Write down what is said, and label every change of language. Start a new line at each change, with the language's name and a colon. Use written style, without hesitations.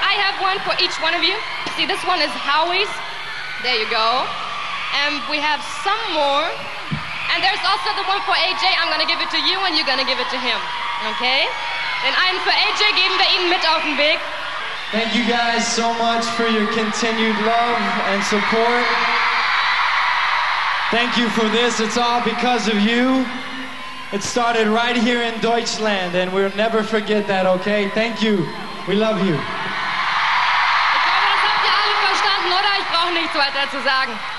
English: I have one for each one of you. See, this one is Howie's. There you go. And we have some more. And there's also the one for AJ. I'm gonna give it to you and you're gonna give it to him. Okay?
German: Den einen für AJ geben wir ihnen mit auf den Weg.
English: Thank you guys so much for your continued love and support. Thank you for this. It's all because of you. It started right here in Deutschland and we'll never forget that, okay? Thank you. We love you.
German: Ich glaube, das habt ihr alle verstanden, oder? Ich brauche nichts weiter zu sagen.